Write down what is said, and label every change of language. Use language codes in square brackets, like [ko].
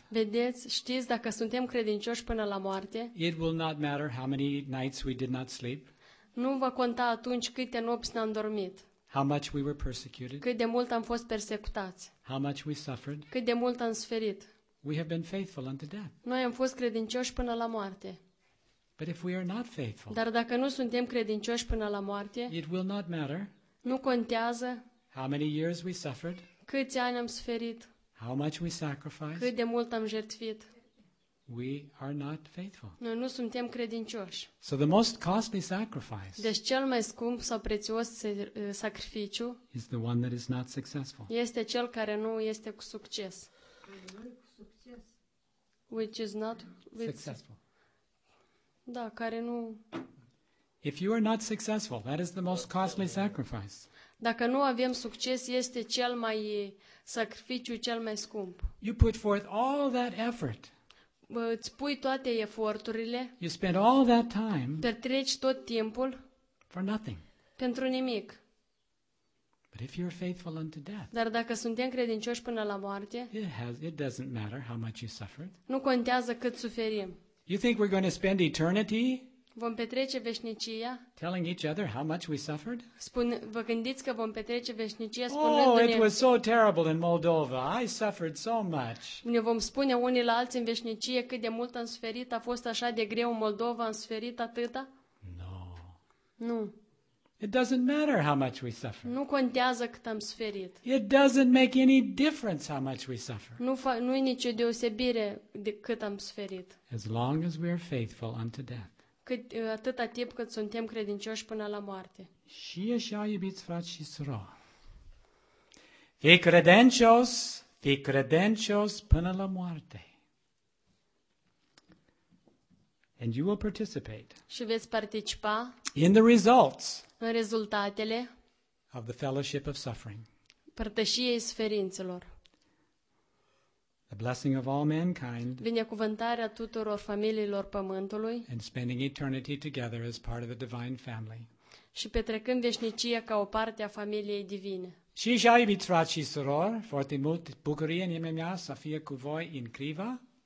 [ro] Vedeți, știți, dacă suntem credincioși până la moarte. [en] It will not matter how many nights we did not sleep. [ro] Nu va conta atunci câte nopți n-am dormit. [en] How much we were persecuted. [ro] Cât de mult am fost persecutați. [en] How much we suffered. [ro] Cât de mult am suferit. [en] We have been faithful unto death. [ro] Noi am fost credincioși până la moarte. [en] But if we are not faithful. [ro] Dar dacă nu suntem credincioși până la moarte. [en] It will not matter. [ro] Nu contează. [en] How many years we suffered. [ro] Câți ani am suferit. [en] How much we sacrificed. [ro] Cât de mult am jertfit. [en] We are not faithful. [ro] Noi nu suntem credincioși. [en] So the most costly sacrifice. [ro] Deci cel mai scump sau prețios sacrificiu. [en] Is the one that is not successful. [ro] Este cel care nu este cu succes. [en] Which is not successful. [ro] Da, care nu. [en] If you are not successful, that is the most costly sacrifice. [ro] Dacă nu avem succes, este cel mai sacrificiu cel mai scump. [en] You put forth all that effort. [ro] Îți pui toate eforturile. [en] You spend all that time. [ro] Petreci tot timpul. [en] For nothing. [ro] Pentru nimic. [en] But if you're faithful unto death. [ro] Dar dacă suntem credincioși până la moarte. [en] It doesn't matter how much you suffered. [ro] Nu contează cât suferim. [en] You think we're going to spend eternity? [ro] Vom petrece veșnicia. [en] Telling each other how much we suffered? [ro] Vă gândiți că vom petrece veșnicia spunându-ne. [en] Oh, it was so terrible in Moldova. I suffered so much. [ro] Ne vom spune unii la alții în veșnicie cât de mult am suferit, a fost așa de greu în Moldova, am suferit atâta? [en] No. [ro] Nu. [en] It doesn't matter how much we suffer. [ro] Nu contează cât am suferit. [en] It doesn't make any difference how much we suffer. [ro] Nu e nicio deosebire de cât am suferit. [en] As long as we are faithful unto death. [ro] Atâta timp cât suntem credincioși până la moarte. Și așa, iubiți frați și surori, fii credincios până la moarte. [en] And you will participate. [ro] Și veți participa [en] in the results. [ro] În rezultatele [en] of the fellowship of suffering. [ro] Părtășiei suferințelor. [en] The blessing of all mankind. [ro] Binecuvântarea tuturor familiilor pământului. [en] And spending eternity together as part of the divine family. [ro] Și petrecând veșnicia ca o parte a familiei divine. Și așa, iubiți frați și surori, foarte mult bucurie în inima mea să fie cu voi în Criva.